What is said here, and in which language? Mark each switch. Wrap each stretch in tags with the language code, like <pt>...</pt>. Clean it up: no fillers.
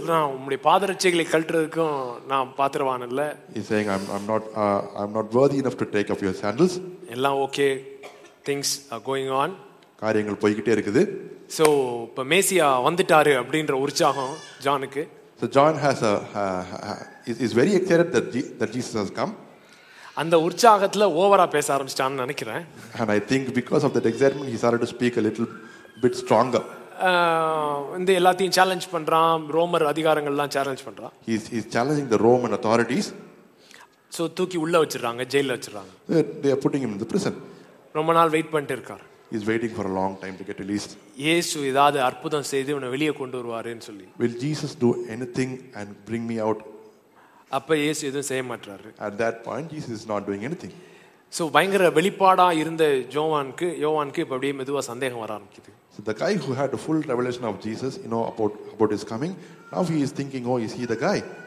<ta>நம்முடைய பாதரட்சைகளை கழற்றுவதற்கும் நான் பாத்திரவான் இல்ல.</ta> <en>He saying I'm not worthy enough to take off your sandals.</en> <ta>எல்லாம் okay.</ta> <en>Things are going on.</en> <ta>காரியங்கள் போயிட்டே இருக்குது. So இப்ப மேசியா வந்துட்டாரு அப்படிங்கற உற்சாகம் ஜானுக்கு.</ta> <en>So John has is very excited that Jesus has come.</en> <ta>அந்த உற்சாகத்துல ஓவரா பேச ஆரம்பிச்சிட்டான்னு நினைக்கிறேன்.</ta> <en>And I think because of that excitement he started to speak a little bit stronger.</en> <ta>இந்த எல்லாத்தையும் சேலஞ்ச் பண்றான், ரோமர் அதிகாரங்கள் எல்லாம் சேலஞ்ச் பண்றான்.</ta> <en>He is challenging the Roman authorities.</en> <ta>So தூக்கி உள்ள வச்சிராங்க, ஜெயில்ல வச்சிராங்க.</ta> <en>They are putting him in the prison.</en> <ta>ரொம்ப நாள் வெயிட் பண்ணிட்டு இருக்கார்.</ta> <en>He is waiting for a long time to get released.</en> <ta>இயேசு இதாவது அற்புதம் செய்து உன்னை வெளிய கொண்டு வருவாரேன்னு சொல்லி.</ta> <en>Will Jesus do anything and bring me out?</en> <ta>அப்ப இயேசு எதுவும் செய்ய மாட்டாரு.</ta> <en>At that point Jesus is not doing anything.</en> <ta>So பயங்கர வெளிப்பாடா இருந்த யோவானுக்கு இப்ப அப்படியே மெதுவா சந்தேகம் வர ஆரம்பிக்குது.</ta> <en>So the guy who had a full revelation of Jesus, you know, about his coming, now he is thinking, oh, is he the guy?</en>